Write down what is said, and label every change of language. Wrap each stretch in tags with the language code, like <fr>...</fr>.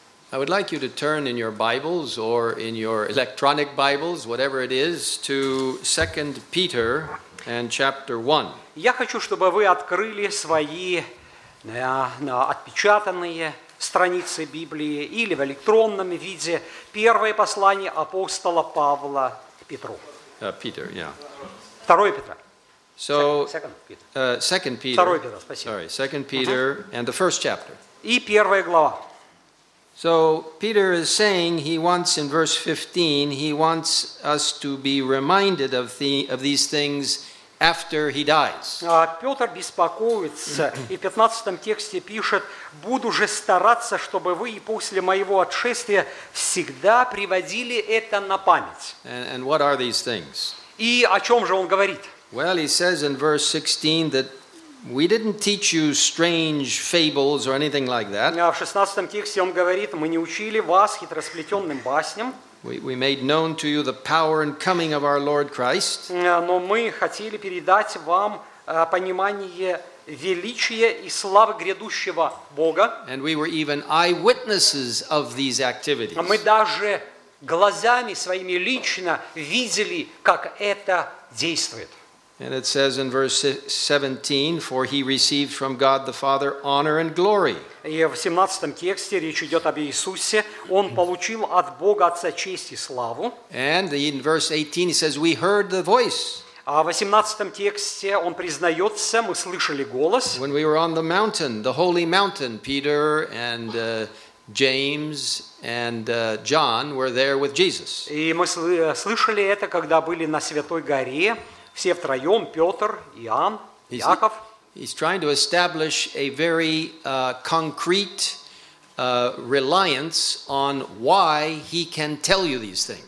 <en>I would like you to turn in your Bibles or in your electronic Bibles, whatever it is, to 2 Peter and chapter 1.</en> <ru>Я хочу, чтобы вы открыли свои отпечатанные страницы Библии или в электронном виде первое послание апостола Павла к Петру.</ru> <en>Peter, yeah.</en> <ru>2 Петра.</ru> <en>So, 2 Peter.</en> <ru>Спасибо.</ru> <en>Sorry, 2 Peter and the first chapter.</en> <ru>И первая глава.</ru> <en>So Peter is saying he wants in verse 15 he wants us to be reminded of these things after he dies.</en> <ru>Петр беспокоится и в 15 тексте пишет: буду же стараться, чтобы вы и после моего отшествия всегда приводили это на память.</ru> <en>And what are these things?</en> <ru>И о чем же он говорит?</ru> <en>Well, he says in verse 16 that we didn't teach you strange fables or anything like that.</en> <ru>В 16 тексте он говорит: мы не учили вас хитросплетенным басням.</ru> <en>We made known to you the power and coming of our Lord Christ.</en> <ru>Но мы хотели передать вам понимание величия и славы грядущего Бога.</ru> <en>And we were even eyewitnesses of these activities.</en> <ru>Мы даже глазами своими лично видели, как это действует.</ru> <en>And it says in verse 17, for he received from God the Father honor and glory.</en> <ru>И в 17 тексте речь идет об Иисусе. Он получил от Бога Отца честь и славу.</ru> <en>And in verse 18 he says, we heard the voice.</en> <ru>А в 18 тексте он признается, мы слышали голос.</ru> <en>When we were on the mountain, the holy mountain, Peter and James and John were there with Jesus.</en> <ru>И мы слышали это, когда были на Святой Горе, все втроем, Петр, Иоанн, Яков.</ru> <en>He's trying to establish a very concrete reliance on why he can tell you these things.</en>